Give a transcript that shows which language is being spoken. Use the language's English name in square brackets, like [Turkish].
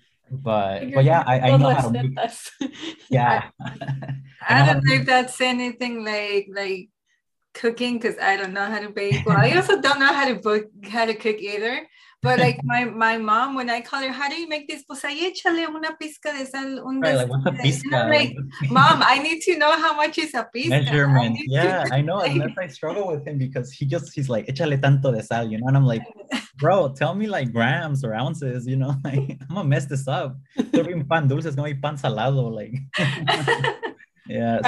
[English] But yeah, I know how to make this. Yeah. I don't know if that's anything like cooking, because I don't know how to bake. Well, I also don't know how to cook either. But like my mom, when I call her, how do you make this? [Spanish] Pues ahí échale una pizca de sal. [English] Like, mom, I need to know how much is a pizca. Measurement. I know. And that's why I struggle with him, because he's like, [Spanish] échale tanto de sal, [English] you know? And I'm like, bro, tell me like grams or ounces, you know? Like, I'm going to mess this up. Serving pan dulce is going to be pan salado. Like, yeah.